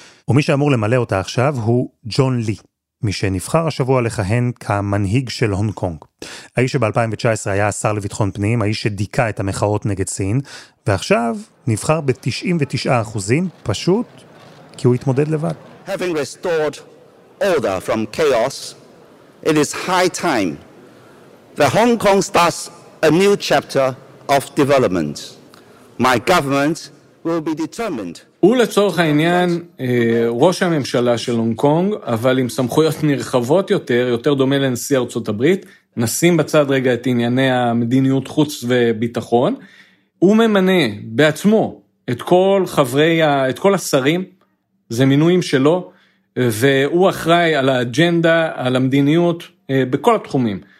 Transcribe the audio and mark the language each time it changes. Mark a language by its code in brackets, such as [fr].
[he] ומי שאמור למלא אותה עכשיו הוא ג'ון לי, מי שנבחר השבוע לכהן כמנהיג של הונג קונג. האיש שב-2019 היה השר לביטחון פנים, האיש שדיקה את המחאות נגד סין, ועכשיו נבחר ב-99%, פשוט כי הוא התמודד לבד. [en] Having restored order from chaos, it is high time that Hong Kong starts a new chapter of development. My government will be determined. [he] ולצורך העניין, ראש הממשלה של הונג קונג, אבל עם סמכויות נרחבות יותר, יותר דומה לנשיא ארצות הברית, נשים בצד רגע את ענייני המדיניות חוץ וביטחון, הוא ממנה בעצמו את כל חברי, את כל השרים, זה מינויים שלו, והוא אחראי על האג'נדה, על המדיניות, בכל התחומים.